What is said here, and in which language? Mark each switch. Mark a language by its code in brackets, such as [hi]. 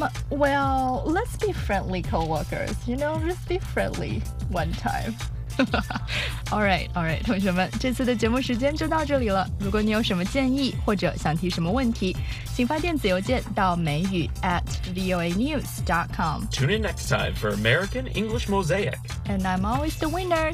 [en] Well, let's be friendly co-workers. You know, just be friendly one time. All right, [zh] 同学们，这次的节目时间就到这里了。如果你有什么建议或者想提什么问题，请发电子邮件到美语@voanews.com. [en] Tune in next time for American English Mosaic. And I'm always the winner.